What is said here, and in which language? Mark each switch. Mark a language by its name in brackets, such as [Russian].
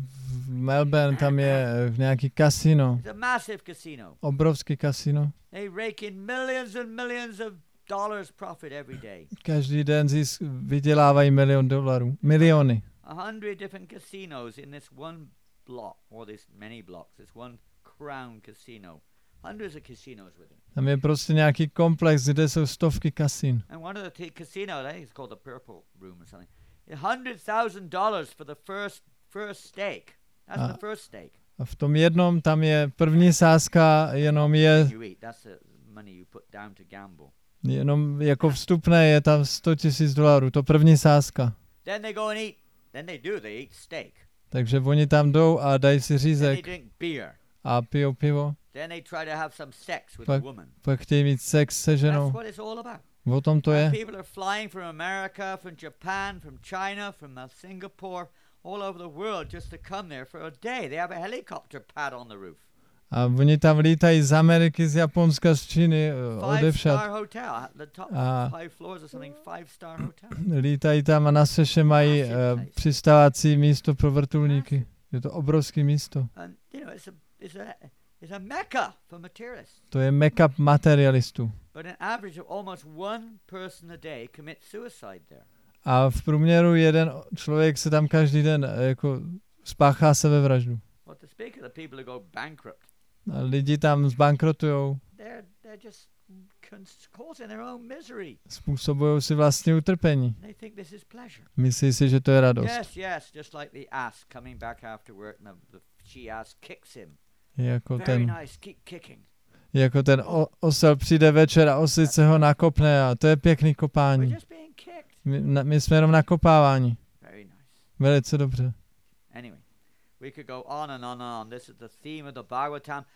[Czech] V Melbourne tam je nějaký kasino. [English] It's a massive casino. [Czech] Obrovský kasino. [English] They rake in millions and millions of dollars profit every day. [Czech] Každý den vydělávají milion dolarů, miliony. [English] 100 different casinos in this one block or this many blocks. It's one crown casino. Hundreds of casinos within. [Czech] Tam je prostě nějaký komplex, kde jsou stovky kasin. [English] And one of the casinos, I think it's called the Purple Room or something. $100,000 for the first stake. That's the first stake. [Czech] A v tom jednom tam je první sázka, jenom je. [English] That's the money you put down to gamble. [Czech] Jenom jako vstupné je tam $100,000, to první sázka. [English] Then they go and eat. Then they do. They eat steak. [Czech] Takže oni tam jdou a dají si řízek. [English] Then they drink beer. [Czech] A pijou pivo. [English] Then they try to have some sex with a woman. [Czech] Pak chtějí mít sex se ženou. [English] That's what it's all about. [Czech] O tom to je. [English] People are flying from America, from Japan, from China, from Singapore, all over the world just to come there for a day. They have a helicopter pad on the roof. [Czech] A oni tam lítají z Ameriky, z Japonska, z Číny, odevšad. [English] Five star hotel, the top five floors or something, five star hotel. [Czech] Lítají tam a na Seše mají přistávací místo pro vrtulníky. Je to obrovské místo. [English] And, you know, it's a mecca for materialists. [Czech] To je mecca materialistů. [English] But an average of almost one person a day commits suicide there. [Czech] A v průměru jeden člověk se tam každý den jako spáchá sebevraždu. [English] What to speak of the people who go bankrupt. [Czech] A lidi tam zbankrotujou. [English] They're just causing their own misery. [Czech] Způsobují si vlastní utrpení. [English] They think this is pleasure. [Czech] Myslí si, že to je radost. [English] Yes, just like the ass coming back after work and she ass kicks him. [Czech] Jako [English] very [Czech] ten. [English] Nice, keep kicking. [Czech] Jako ten osel přijde večer a oslice ho nakopne a to je pěkný kopání. My jsme jenom nakopávání. Velice dobře. [English] Anyway, we could go on and on and on. This is the theme of the Bhagavatam.